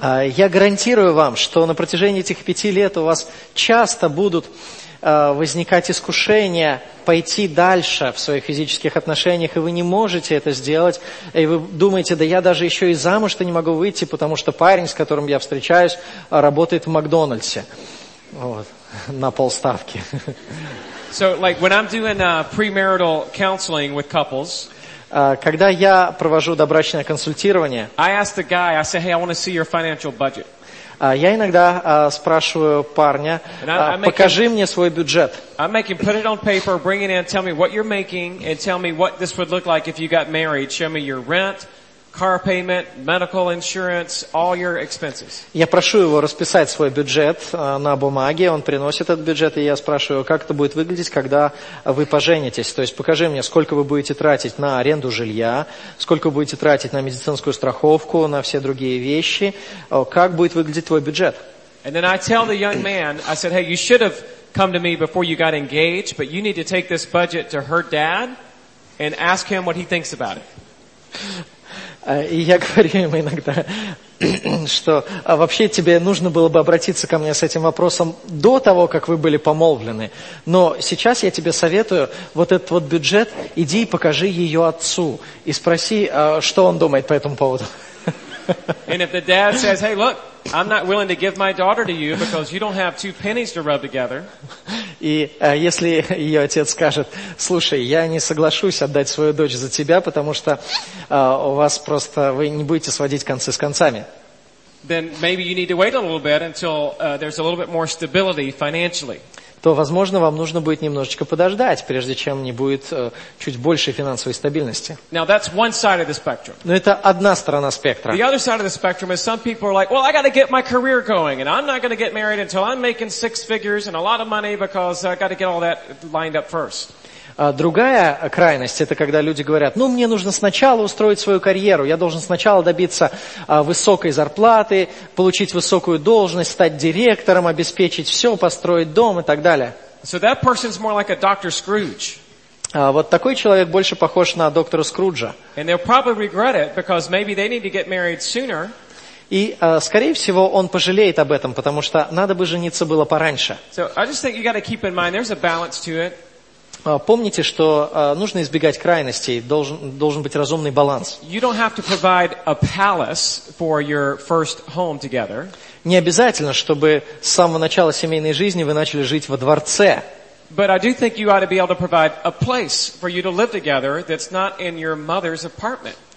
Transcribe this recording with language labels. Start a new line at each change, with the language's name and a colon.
Russian: Я гарантирую вам, что на протяжении этих 5 лет у вас часто будут возникать искушения пойти дальше в своих физических отношениях, и вы не можете это сделать, и вы думаете, да я даже еще и замуж-то не могу выйти, потому что парень, с которым я встречаюсь, работает в Макдональдсе. Вот, на полставки.
English: So, like, when I'm doing premarital counseling with couples,
Russian: когда я провожу добрачное консультирование,
English: I ask the guy, I say, hey, I want to see your financial budget.
Russian: Я иногда спрашиваю парня, покажи мне свой бюджет.
English: I make him put it on paper, bring it in, tell me what you're making, and tell me what this would look like if you got married. Show me your rent, car payment, medical insurance, all your expenses.
Russian: Я прошу его расписать свой бюджет на бумаге, он приносит этот бюджет, и я спрашиваю, как это будет выглядеть, когда вы поженитесь. То есть покажи мне, сколько вы будете тратить на аренду жилья, сколько вы будете тратить на медицинскую страховку, на все другие вещи, как будет выглядеть твой бюджет.
English: And then I tell the young man, I said, hey, you should have come to me before you got engaged, but you need to take this budget to her dad and ask him what he thinks about it.
Russian: И я говорю ему иногда, что вообще тебе нужно было бы обратиться ко мне с этим вопросом до того, как вы были помолвлены. Но сейчас я тебе советую вот этот вот бюджет, иди и покажи ее отцу. И спроси, что он думает по этому поводу.
English: And if the dad says, hey, look, I'm not willing to give my daughter to you because you don't have 2 pennies to rub together.
Russian: И если ее отец скажет, слушай, я не соглашусь отдать свою дочь за тебя, потому что у вас просто, вы не будете сводить концы с концами.
English: Then maybe you need to wait a little bit until there's a little bit more stability financially.
Russian: То, возможно, вам нужно будет немножечко подождать, прежде чем не будет чуть больше финансовой стабильности.
English: Now, that's one side of the spectrum.
Russian: Но это одна сторона спектра.
English: The other side of the spectrum is some people are like, well, I got to get my career going, and I'm not going to get married until I'm making 6 figures and a lot of money because I got to get all that lined up first.
Russian: Другая крайность, это когда люди говорят, ну, мне нужно сначала устроить свою карьеру, я должен сначала добиться высокой зарплаты, получить высокую должность, стать директором, обеспечить все, построить дом и так далее.
English: So that person's more like a Dr. Scrooge.
Russian: Вот такой человек больше похож на доктора Скруджа.
English: And they'll probably regret it, because maybe they need to get married sooner.
Russian: И, скорее всего, он пожалеет об этом, потому что надо бы жениться было пораньше.
English: So I just think you gotta keep in mind, there's a balance to it.
Russian: Помните, что нужно избегать крайностей, должен быть разумный баланс.
English: You don't have to provide a palace for your first home together.
Russian: Не обязательно, чтобы с самого начала семейной жизни вы начали жить во дворце.
English: But I do think you ought to be able to provide a place for you to live together that's not in your mother's apartment.